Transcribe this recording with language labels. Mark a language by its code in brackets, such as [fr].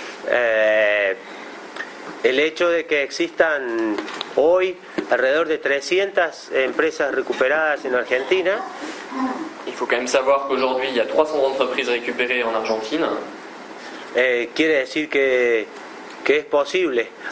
[es] el hecho de que existan hoy alrededor de 300 empresas recuperadas en Argentina. [fr] Il faut quand même savoir qu'aujourd'hui il y a 300 entreprises récupérées en Argentine. [es] Quiere decir que es posible.